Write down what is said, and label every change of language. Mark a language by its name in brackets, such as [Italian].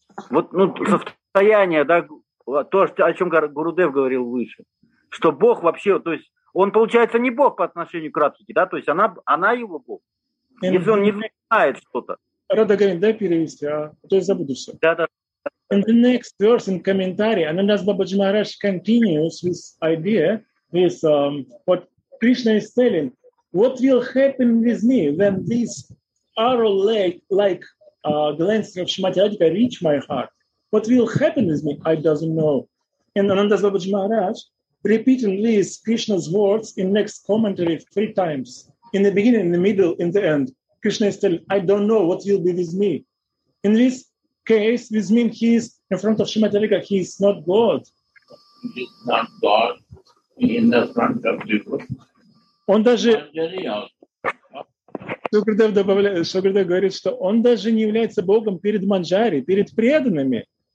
[Russian] Вот ну, состояние, да, то, о чем Гурудев говорил выше, что Бог вообще, то есть он получается не Бог по отношению к Радхике, да, то есть она его Бог, если он не знает что-то. Рада говорит, дай перевести, а то я забуду все. Да. [English] In the next verse, in commentary, Anandas Babaji Maharaj continues with idea, with what Krishna is telling, what will happen with me when this arrow like glance of Shrimati Radhika reach my heart. What will happen with me? I don't know. And Anandas Babaji Maharaj repeating these Krishna's words in next commentary three times. In the beginning, in the middle, in the end. Krishna is telling, I don't know what will be with me. In this case, this means he is in front of Shrimati Radhika, he is not God. He is not God in the front of people. [Russian] Он даже... Шукрадев добавляет, Шукрадев говорит, что он даже не является Богом перед Манджари, перед преданными.